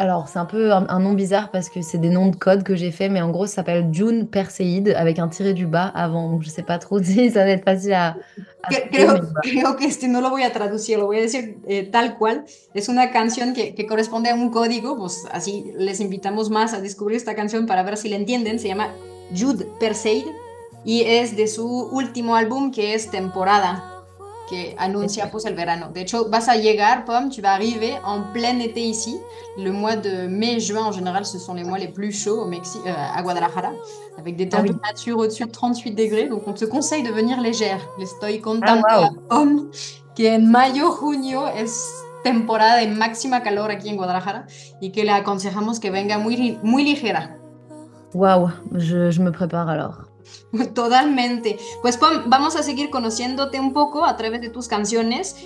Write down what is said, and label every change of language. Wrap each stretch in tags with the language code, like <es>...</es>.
<fr>c'est un peu un nom bizarre parce que c'est des noms de code que j'ai fait, mais en gros, ça s'appelle June Perseide avec un tiré du bas avant. Je ne sais pas trop si ça va être facile à</fr> <es>Creo que no lo voy a traducir, lo voy a decir tal cual. Es una canción que corresponde a un código, pues así les invitamos más a descubrir esta canción para ver si la entienden. Se llama Jude Perseide y es de su último álbum, que es Temporada, que anuncia pues el verano. De hecho, vas a llegar,</es> <fr>Pom, tu vas arriver en plein été ici. Le mois de mai, juin, en général, ce sont les mois les plus chauds à Guadalajara, avec des températures au-dessus de 38 degrés. Donc, on te conseille de venir légère.</fr> <es>Estoy contando a Pom que en mayo, junio, es temporada de máxima calor aquí en Guadalajara y que le aconsejamos que venga muy, muy ligera.</es> <fr>Wow, je me prépare alors.</fr> <es>Totalmente. Pues Pom, vamos a seguir conociéndote un poco a través de tus canciones.</es>